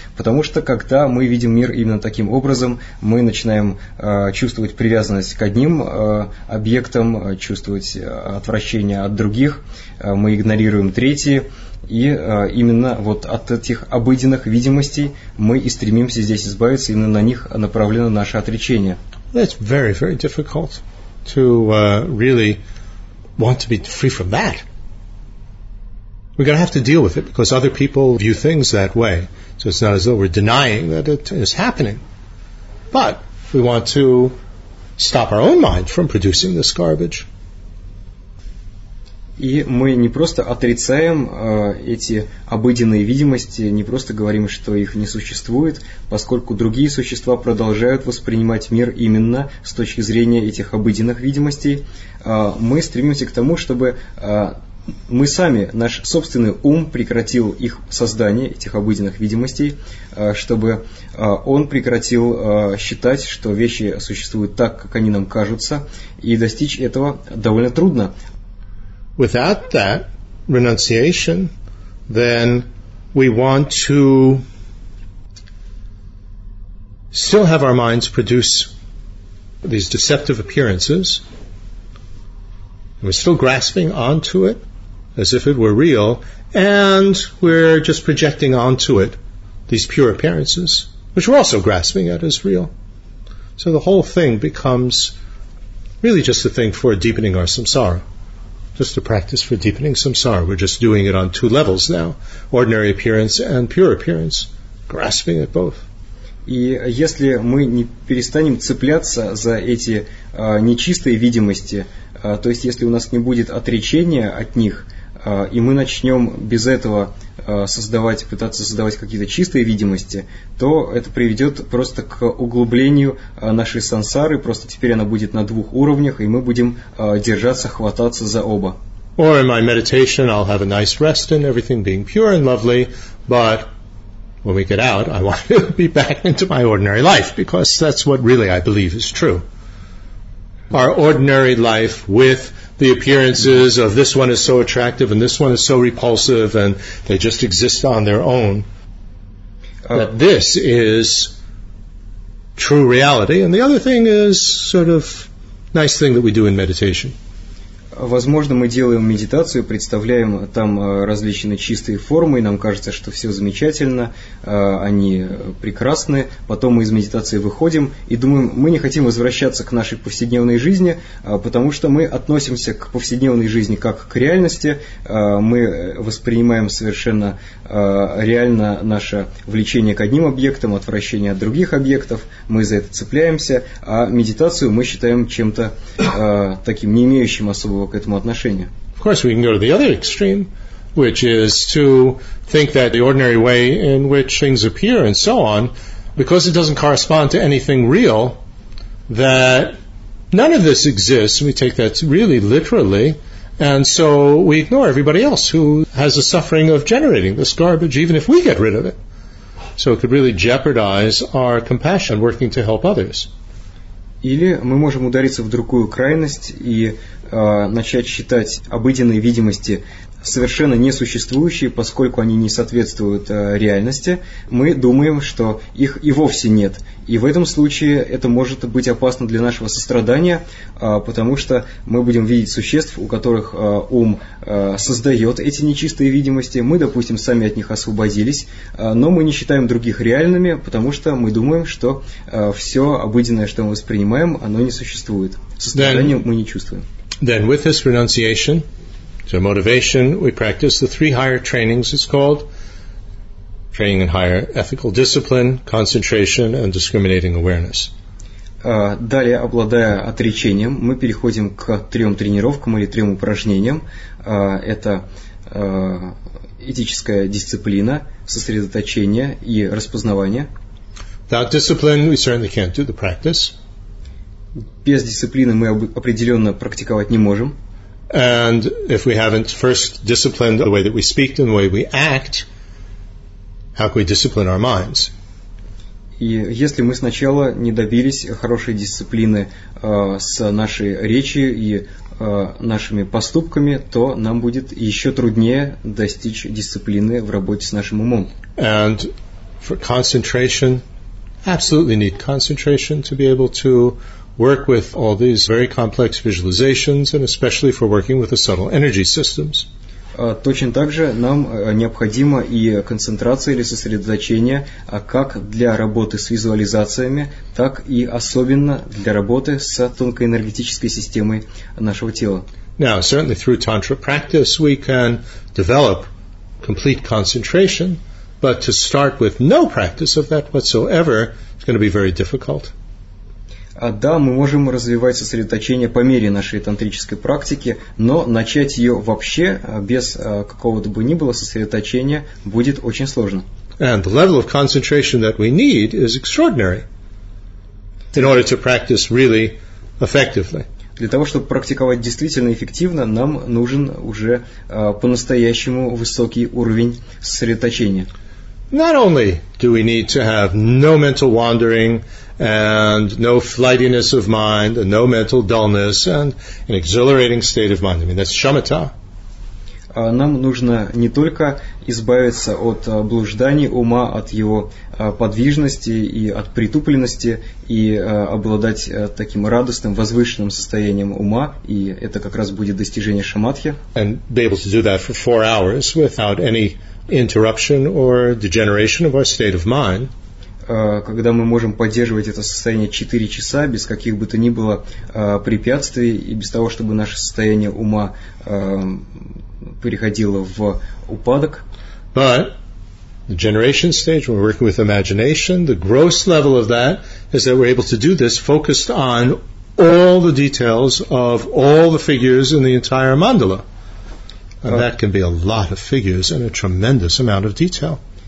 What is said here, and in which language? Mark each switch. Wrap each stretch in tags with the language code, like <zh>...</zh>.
<ru>Потому что когда мы видим мир именно таким образом, мы начинаем чувствовать привязанность к одним объектам, чувствовать отвращение от других, мы игнорируем третьи. И именно вот от этих обыденных видимостей мы и стремимся здесь избавиться, именно на них направлено наше отречение.</ru> <en>That's very, very difficult to really want to be free from that. We're going to have to deal with it, because other people view things that way. So it's not as though we're denying that it is happening. But we want to stop our own mind from producing this garbage.</en> <ru>И мы не просто отрицаем эти обыденные видимости, не просто говорим, что их не существует, поскольку другие существа продолжают воспринимать мир именно с точки зрения этих обыденных видимостей. Мы стремимся к тому, чтобы мы сами, наш собственный ум, прекратил их создание, этих обыденных видимостей, чтобы он прекратил считать, что вещи существуют так, как они нам кажутся, и достичь этого довольно трудно.</ru> <en>Without that renunciation, then we want to still have our minds produce these deceptive appearances. We're still grasping onto it as if it were real, and we're just projecting onto it these pure appearances, which we're also grasping at as real. So the whole thing becomes really just a thing for deepening our samsara. Just a practice for deepening samsara. We're just doing it on two levels now. Ordinary appearance and pure appearance. Grasping at both.</en> <ru>И если мы не перестанем цепляться за эти нечистые видимости, то есть если у нас не будет отречения от них, и мы начнем без этого создавать, пытаться создавать какие-то чистые видимости, то это приведет просто к углублению нашей сансары, просто теперь она будет на двух уровнях, и мы будем держаться, хвататься за оба.</ru> <en>Or in my meditation I'll have a nice rest and everything being pure and lovely, but when we get out, I want to be back into my ordinary life, because that's what really I believe is true. Our ordinary life with the appearances of this one is so attractive and this one is so repulsive and they just exist on their own. That this is true reality. And the other thing is sort of nice thing that we do in meditation.</en> <ru>Возможно, мы делаем медитацию, представляем там различные чистые формы, и нам кажется, что все замечательно, они прекрасны. Потом мы из медитации выходим и думаем, мы не хотим возвращаться к нашей повседневной жизни, потому что мы относимся к повседневной жизни как к реальности. Мы воспринимаем совершенно реально наше влечение к одним объектам, отвращение от других объектов, мы за это цепляемся, а медитацию мы считаем чем-то таким, не имеющим особого.</ru> <en>Of course, we can go to the other extreme, which is to think that the ordinary way in which things appear and so on, because it doesn't correspond to anything real, that none of this exists. We take that really literally, and so we ignore everybody else who has the suffering of generating this garbage, even if we get rid of it. So it could really jeopardize our compassion working to help others.</en> <ru>Или мы можем удариться в другую крайность и начать считать обыденные видимости совершенно несуществующие, поскольку они не соответствуют реальности. Мы думаем, что их и вовсе нет. И в этом случае это может быть опасно для нашего сострадания, потому что мы будем видеть существ, у которых ум создает эти нечистые видимости. Мы, допустим, сами от них освободились, но мы не считаем других реальными, потому что мы думаем, что все обыденное, что мы воспринимаем, оно не существует. Сострадания мы не чувствуем.</ru> <en>Then with this renunciation, so motivation, we practice the three higher trainings, it's called. Training in higher ethical discipline, concentration, and discriminating awareness.</en> <ru>Далее, обладая отречением, мы переходим к трем тренировкам или трем упражнениям. Это этическая дисциплина, сосредоточение и распознавание.</ru> <en>Without discipline, we certainly can't do the practice.</en> <ru>Без дисциплины мы определенно практиковать не можем.</ru> <en>And if we haven't first disciplined the way that we speak and the way we act, how can we discipline our minds?</en> <ru>И если мы сначала не добились хорошей дисциплины с нашей речью и нашими поступками, то нам будет еще труднее достичь дисциплины в работе с нашим умом.</ru> <en>And for concentration, absolutely need concentration to be able to work with all these very complex visualizations, and especially for working with the subtle energy systems.</en> <ru>Точно так же нам необходима и концентрация или сосредоточение как для работы с визуализациями, так и особенно для работы с тонкой энергетической системой нашего тела.</ru> <en>Now, certainly through tantra practice we can develop complete concentration, but to start with no practice of that whatsoever is going to be very difficult.</en> <ru>Да, мы можем развивать сосредоточение по мере нашей тантрической практики, но начать ее вообще без какого-то бы ни было сосредоточения будет очень сложно.</ru> <en>And the level of concentration that we need is extraordinary in order to practice really effectively.</en> <ru>Для того, чтобы практиковать действительно эффективно, нам нужен уже по-настоящему высокий уровень сосредоточения.</ru> <en>Not only do we need to have no mental wandering and no flightiness of mind and no mental dullness and an exhilarating state of mind. I mean, that's shamatha.</en> <ru>Нам нужно не только избавиться от блужданий ума, от его подвижности и от притупленности и обладать таким радостным, возвышенным состоянием ума, и это как раз будет достижение шамадхи.</ru> <en>And be able to do that for 4 hours without any interruption or degeneration of our state of mind.</en> <ru>когда мы можем поддерживать это состояние 4 часа без каких бы то ни было препятствий и без того, чтобы наше состояние ума переходило в упадок.</ru> <en>But the generation stage, when we're working with imagination, the gross level of that is that we're able to do this focused on all the details of all the figures in the entire mandala. And that can be a lot of figures and a tremendous amount of detail.</en>